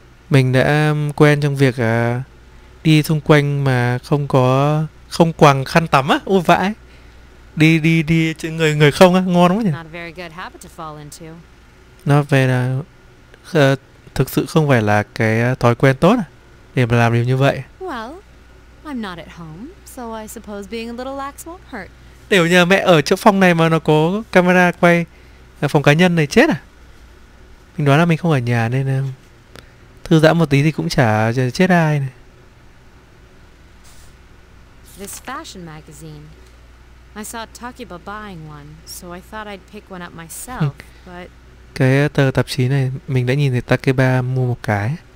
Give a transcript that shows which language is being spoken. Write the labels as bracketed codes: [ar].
[vi] Mình đã quen trong việc đi xung quanh mà không quàng khăn tắm á, ôi vãi. Đi người không á, ngon lắm nhỉ. [en] Not a very good habit to fall into. [vi] Nó về là thực sự không phải là cái thói quen tốt à, để mà làm điều như vậy. [en] I'm not at home, so I suppose being a little lax won't hurt. [vi] Nếu nhà mẹ ở chỗ phòng này mà nó có camera quay phòng cá nhân này chết à? Mình đoán là mình không ở nhà nên thư giãn một tí thì cũng chả chết ai này. [en] This fashion magazine. I saw Takiba buying one, so I thought I'd pick one up myself, but [vi] cái tờ tạp chí này mình đã nhìn thấy Takiba mua một cái.